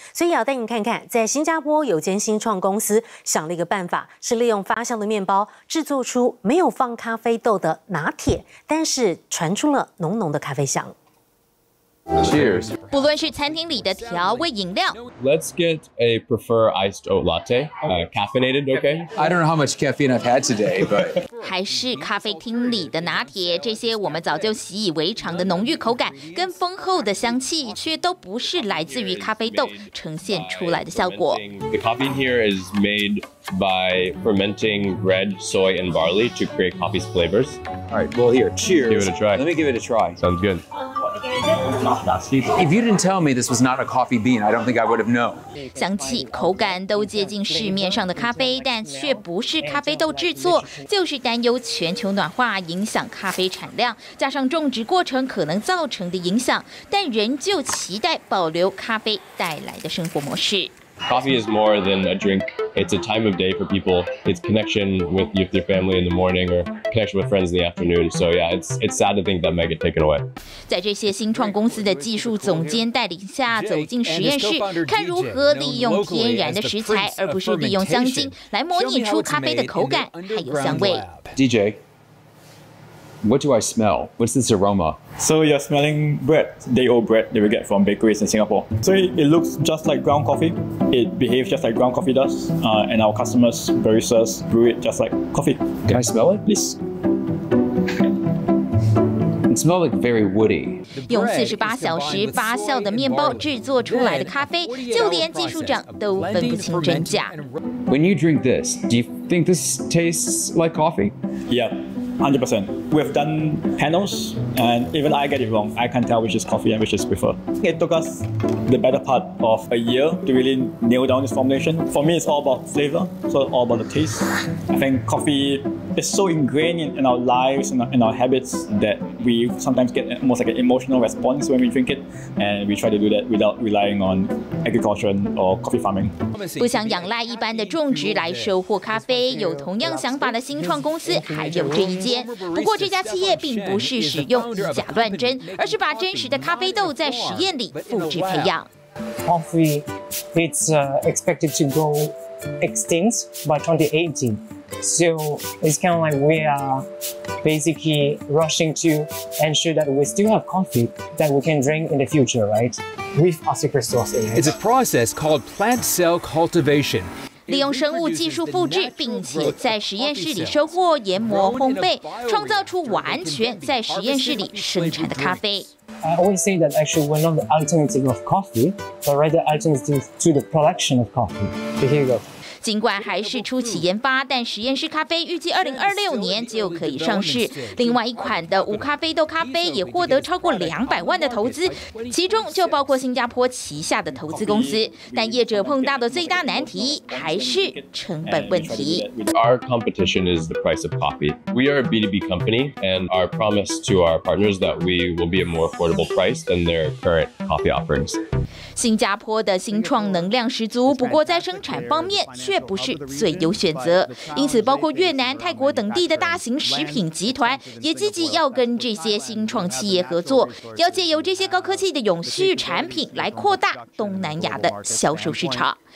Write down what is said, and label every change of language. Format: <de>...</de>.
<zh>所以要带你看看，在新加坡有间新创公司想了一个办法，是利用发酵的面包制作出没有放咖啡豆的拿铁，但是传出了浓浓的咖啡香。</zh> <en>Cheers.</en> <zh>不论是餐厅里的调味饮料。</zh> <en>Let's get a prefer iced oat latte, caffeinated, okay? I don't know how much caffeine I've had today, but.</en> <zh>还是咖啡厅里的拿铁，这些我们早就习以为常的浓郁口感跟丰厚的香气，却都不是来自于咖啡豆呈现出来的效果。</zh> <en>The coffee in here is made by fermenting red soy and barley to create coffee's flavors. All right, well here, cheers. Give it a try. Let me give it a try. Sounds good. If you didn't tell me this was not a coffee bean, I don't think I would have known.</en> <zh>香气、口感都接近市面上的咖啡，但却不是咖啡豆制作，就是担忧全球暖化影响咖啡产量，加上种植过程可能造成的影响，但仍旧期待保留咖啡带来的生活模式。</zh> <en>Coffee is more than a drink. It's a time of day for people. It's connection with your family in the morning or connection with friends in the afternoon. So yeah, it's sad to think that might get taken away.</en> <zh>在这些新创公司的技术总监带领下走进实验室，看如何利用天然的食材，而不是利用香精来模拟出咖啡的口感还有香味。</zh> <en>DJ, what do I smell? What's this aroma? So you're smelling bread, day-old bread that we get from bakeries in Singapore. So it looks just like ground coffee. It behaves just like ground coffee does. And our customers, baristas, brew it just like coffee. Can I smell it? Please. It smells like very woody.</en> <zh>用48小时发酵的面包制作出来的咖啡，就连技术长都分不清真假。</zh> <en>When you drink this, do you think this tastes like coffee? Yeah, 100%. We've done panels, and even I get it wrong. I can't tell which is coffee and which is prefer. It took us the better part of a year to really nail down this formulation. For me, it's all about flavor, so all about the taste. I think coffee. It's so ingrained in our lives and in our habits that we sometimes get almost like an emotional response when we drink it, and we try to do that without relying on agriculture or coffee farming.</en> <zh>不想仰赖一般的种植来收获咖啡，有同样想法的新创公司还有这一间。不过这家企业并不是使用以假乱真，而是把真实的咖啡豆在实验里复制培养。</zh> <en>Coffee is expected to go extinct by 2018. So it's kind of like we are basically rushing to ensure that we still have coffee that we can drink in the future, right? With our secret sauce in it. It's a process called plant cell cultivation.</en> <zh>利用生物技术复制，并且在实验室里收获、研磨、烘焙，创造出完全在实验室里生产的咖啡。</zh> <en>I always say that actually we're not the alternative of coffee, but rather alternative to the production of coffee. Here you go.</en> <zh>尽管还是初期研发，但实验室咖啡预计2026年就可以上市。另外一款的无咖啡豆咖啡也获得超过200万的投资，其中就包括新加坡旗下的投资公司。但业者碰到的最大难题还是成本问题。</zh> <en>Our competition is the price of coffee. We are a B2B company, and our promise to our partners that we will be a more affordable price than their current coffee offerings.</en> <zh>新加坡的新创能量十足，不过在生产方面。却不是最优选择，因此包括越南、泰国等地的大型食品集团也积极要跟这些新创企业合作，要借由这些高科技的永续产品来扩大东南亚的销售市场。</zh>